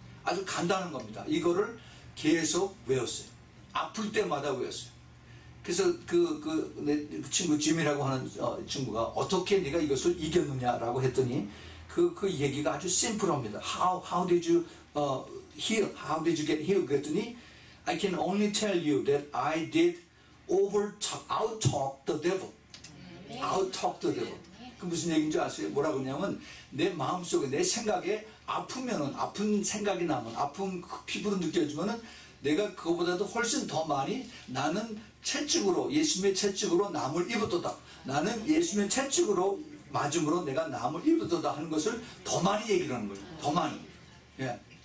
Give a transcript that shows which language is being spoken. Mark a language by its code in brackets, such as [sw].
[ko] 아주 간단한 겁니다. 이거를 계속 외웠어요. 아플 때마다 외웠어요. 그래서 내 친구 짐이라고 하는 친구가 어떻게 네가 이것을 이겼느냐라고 했더니 그 얘기가 아주 심플합니다. [en] How did you heal? How did you get healed? [ko] 그랬더니 [en] I can only tell you that I did out talk the devil. Out talk the devil. [ko] 그 무슨 얘기인지 아세요? 뭐라고 하냐면 내 마음속에 내 생각에 아프면은 아픈 생각이 나면 아픈 그 피부로 느껴지면은 내가 그거보다도 훨씬 더 많이 나는 채찍으로 예수님의 채찍으로 남을 입었도다. 나는 예수님의 채찍으로 맞음으로 내가 남을 입었도다 하는 것을 더 많이 얘기를 하는 거예요. 더 많이. 예.